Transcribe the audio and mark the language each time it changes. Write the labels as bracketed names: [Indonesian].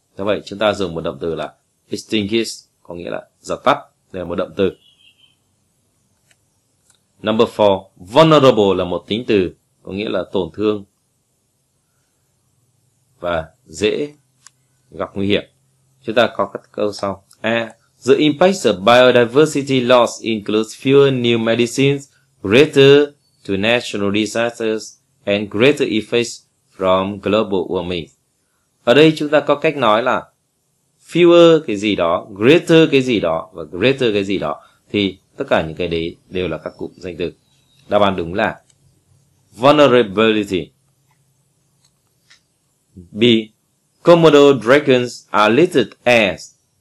[Vietnamese] Do vậy chúng ta dùng một động từ là extinguish, có nghĩa là dập tắt. Đây là một động từ. [English] Number 4. [Vietnamese] Vulnerable là một tính từ, có nghĩa là tổn thương và dễ gặp nguy hiểm. Chúng ta có các câu sau. A. [English] The impact of biodiversity loss includes fewer new medicines, greater to natural disasters, and greater effects from global warming. [Vietnamese] Ở đây chúng ta có cách nói là fewer cái gì đó, greater cái gì đó, và greater cái gì đó, thì tất cả những cái đấy đều là các cụm danh từ. Đáp án đúng là vulnerability. [English] B. Komodo dragons are listed as.